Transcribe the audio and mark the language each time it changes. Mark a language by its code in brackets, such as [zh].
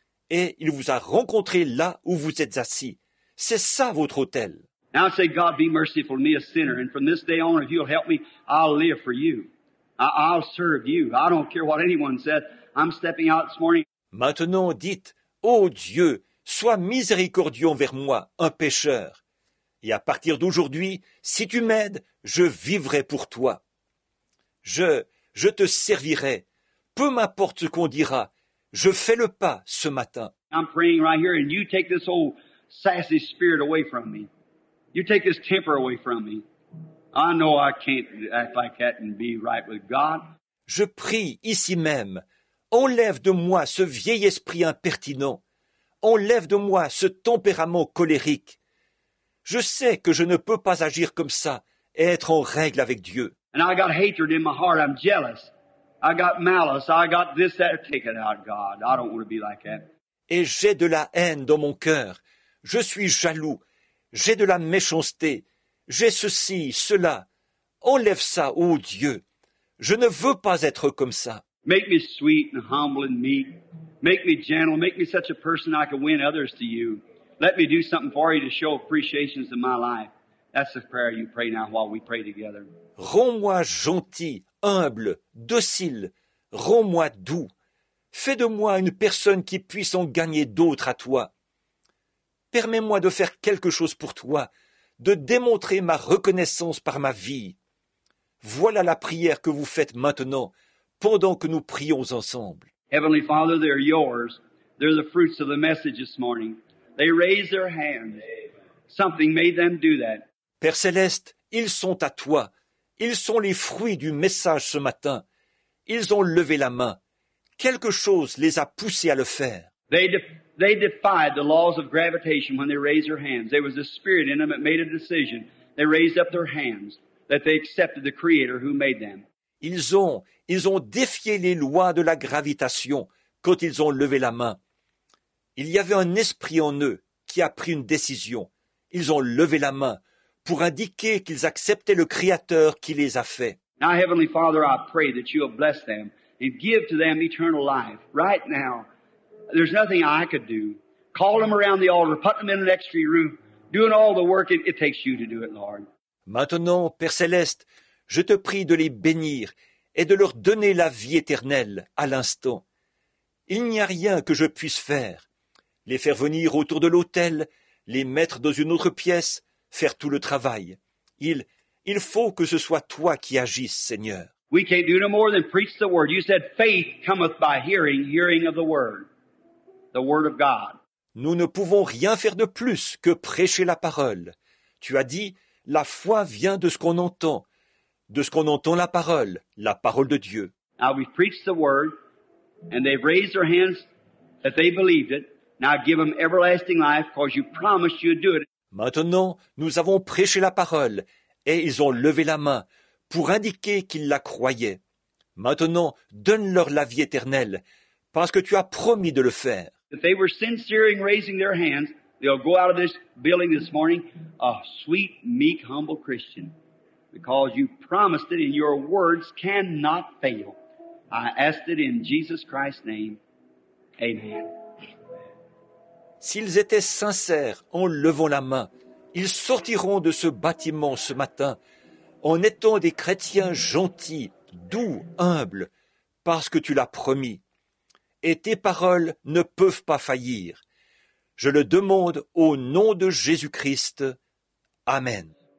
[fr] Et il vous a rencontré là où vous êtes assis. C'est ça votre autel. [en] Now I say, God, be merciful to me, a sinner. And from this day on, if you'll help me, I'll live for you. I'll serve you. I don't care what anyone says. I'm stepping out this morning. [fr] Maintenant, dites, ô Dieu, sois miséricordieux envers moi, un pécheur. Et à partir d'aujourd'hui, si tu m'aides, je vivrai pour toi. Je te servirai. Peu m'importe ce qu'on dira, je fais le pas ce matin. [en] I'm praying right here, and you take this old sassy spirit away from me. You take this temper away from me. I know I can't act like that and be right with God. [fr] Je prie ici même. Enlève de moi ce vieil esprit impertinent. Enlève de moi ce tempérament colérique. Je sais que je ne peux pas agir comme ça et être en règle avec Dieu. [en] And I got hatred in my heart. I'm jealous. I got malice, I got this, that, take it out, God. I don't want to be like that. [fr] Et j'ai de la haine dans mon cœur. Je suis jaloux. J'ai de la méchanceté. J'ai ceci, cela. Enlève ça, ô Dieu. Je ne veux pas être comme ça. [en] Make me sweet and humble and meek. Make me gentle. Make me such a person I can win others to you. Let me do something for you to show appreciations in my life. That's the prayer you pray now while we pray together. [fr] Rends-moi gentil. Humble, docile, rends-moi doux. Fais de moi une personne qui puisse en gagner d'autres à toi. Permets-moi de faire quelque chose pour toi, de démontrer ma reconnaissance par ma vie. Voilà la prière que vous faites maintenant, pendant que nous prions ensemble. [en] Heavenly Father, they're yours. They're the fruits of the message this morning. They raise their hands. Something made them do that. [fr] Père Céleste, ils sont à toi. Ils sont les fruits du message ce matin. Ils ont levé la main. Quelque chose les a poussés à le faire. [en] They defied the laws of gravitation when they raised their hands. There was a spirit in them that made a decision. They raised up their hands that they accepted the Creator who made them. [fr] Ils ont défié les lois de la gravitation quand ils ont levé la main. Il y avait un esprit en eux qui a pris une décision. Ils ont levé la main pour indiquer qu'ils acceptaient le Créateur qui les a faits. [en] Now, Heavenly Father, I pray that you'll bless them and give to them eternal life right now. There's nothing I could do. Call them around the altar, put them in an extra room, doing all the work it takes you to do it, Lord. [fr] Maintenant, Père Céleste, je te prie de les bénir et de leur donner la vie éternelle à l'instant. Il n'y a rien que je puisse faire. Les faire venir autour de l'autel, les mettre dans une autre pièce, faire tout le travail. Il faut que ce soit toi qui agisses, Seigneur. [en] We can't do no more than preach the word. You said faith cometh by hearing, hearing of the word of God. [fr] Nous ne pouvons rien faire de plus que prêcher la parole. Tu as dit, la foi vient de ce qu'on entend. De ce qu'on entend la parole de Dieu. [en] Now we've preached the word, and they've raised their hands that they believed it. Now give them everlasting life, because you promised you'd do it. [fr] Maintenant, nous avons prêché la parole, et ils ont levé la main pour indiquer qu'ils la croyaient. Maintenant, donne-leur la vie éternelle, parce que tu as promis de le faire. [en] If they were sincere in raising their hands, they'll go out of this building this morning a sweet, meek, humble Christian, because you promised it and your words cannot fail. I ask it in Jesus Christ's name. Amen. [fr] S'ils étaient sincères en levant la main, ils sortiront de ce bâtiment ce matin en étant des chrétiens gentils, doux, humbles, parce que tu l'as promis. Et tes paroles ne peuvent pas faillir. Je le demande au nom de Jésus-Christ. Amen.